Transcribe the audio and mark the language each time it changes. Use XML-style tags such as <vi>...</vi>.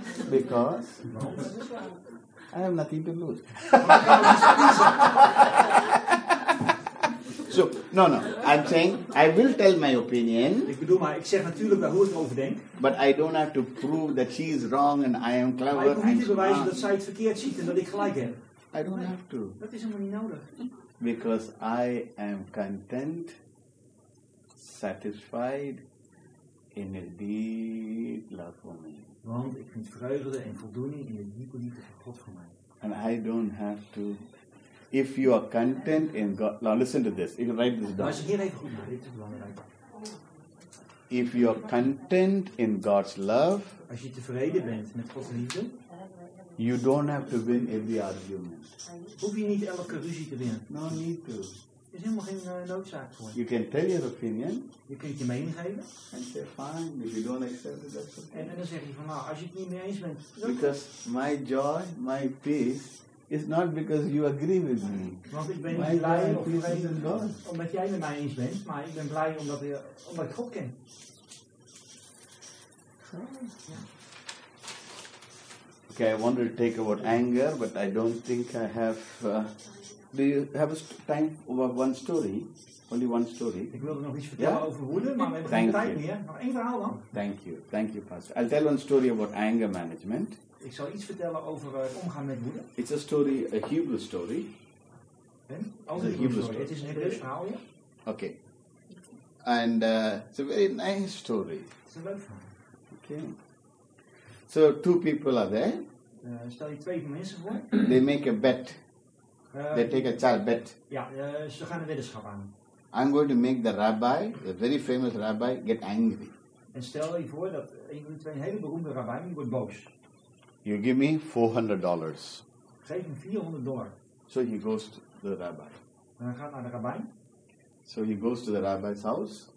<en>Because I have nothing to lose. So, no. I'm saying, I will tell my opinion.</en> <nl>Ik bedoel maar, ik zeg natuurlijk wel hoe ik erover denk.</nl> <en>But I don't have to prove that she is wrong and I am clever.</en> <nl>Maar ik hoef niet te bewijzen dat zij het verkeerd ziet en dat ik gelijk heb.</nl> <en>I don't have to.</en> <nl>Dat is helemaal niet nodig.</nl> <en>Because I am content, satisfied, in a deep love for me.</en> <nl>Want ik vind vreugde en voldoening in de diepe liefde van God voor mij.</nl> <en>And I don't have to. If you are content in God. Now listen to this. You can write this down.</en> <nl>Als je hier even goed naar dit is belangrijk.</nl> <en>If you are content in God's love.</en> <nl>Als je tevreden bent met Gods liefde.</nl> <en>You don't have to win every argument.</en> <nl>Hoef je niet elke ruzie te winnen.</nl> <en>No need to.</en> <nl>Er is helemaal geen noodzaak voor.</nl> <en>You can tell your opinion.</en> <nl>Je kunt je mening geven.</nl> <en>And say fine, if you don't accept it, that's okay.</en> <nl>En dan zeg je van, nou, als je het niet mee eens bent.</nl> <en>Because my joy, my peace, is not because you agree with me.</en> <nl>Want ik ben niet blij of vreemd omdat jij met mij eens bent, maar ik ben blij omdat ik God ken. Ja.</nl> <en>Okay, I wanted to take about anger, but I don't think I have. Do you have time over one story? Only one story?</en> <nl>Ik wilde nog iets vertellen over woede, maar we hebben geen tijd meer. Nog één verhaal dan.</nl> <en>Thank you, Pastor. I'll tell one story about anger management.</en> <nl>Ik zal iets vertellen over het omgaan met woede.</nl> <en>It's a story, a Hebrew story.</en> <nl>Het is een Hebreeuws verhaal, ja.</nl> <en>Okay. And it's a very nice story. It's a</en> <nl>leuk verhaal.</nl> <en>Okay. So two people are there.</en> <nl>Stel je twee mensen voor.</nl> <en>They make a bet. They take a child bet.</en> <nl>Ja, ze gaan een weddenschap aan.</nl> <en>I'm going to make the rabbi, a very famous rabbi, get angry.</en> <nl>En stel je voor dat een van de twee hele beroemde rabbijn wordt boos.</nl> <en>You give me $400.</en> <nl>Geef hem $400.</nl> <en>So he goes to the rabbi.</en> <nl>En hij gaat naar de rabbijn.</nl> <en>So he goes to the rabbi's house.</en>